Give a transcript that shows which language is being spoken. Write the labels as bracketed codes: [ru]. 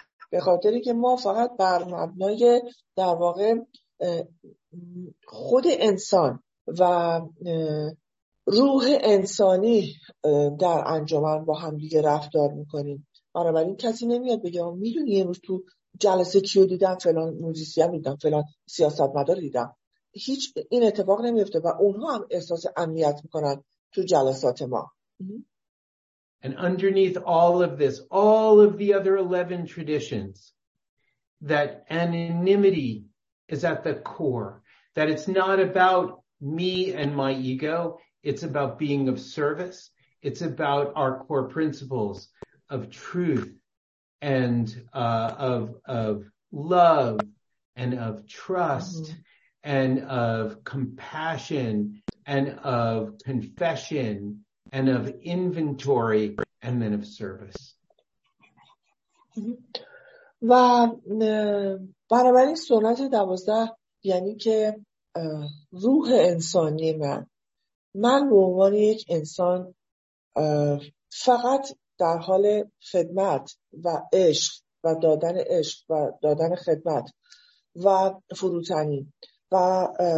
[fa] به خاطری که ما فقط بر مبنای در واقع خود انسان و روح انسانی در انجمن با هم دیگه رفتار میکنیم. بنابراین کسی نمیاد بگه ما میدونی یه روز تو جلسه کیو دیدم، فلان موزیسین دیدم، فلان سیاستمدار دیدم. هیچ این اتفاق نمیفته و اونها هم احساس امنیت میکنن تو جلسات ما. [en] And underneath all of this, all of the other 11 traditions, that anonymity is at the core, that it's not about me and my ego. It's about being of service. It's about our core principles of truth and of love and of trust and of compassion and of confession and of inventory and then of service. [fa] و بنابراین سنت 12 یعنی که روح انسانی من به عنوان یک انسان فقط در حال خدمت و عشق و دادن عشق و دادن خدمت و فروتنی و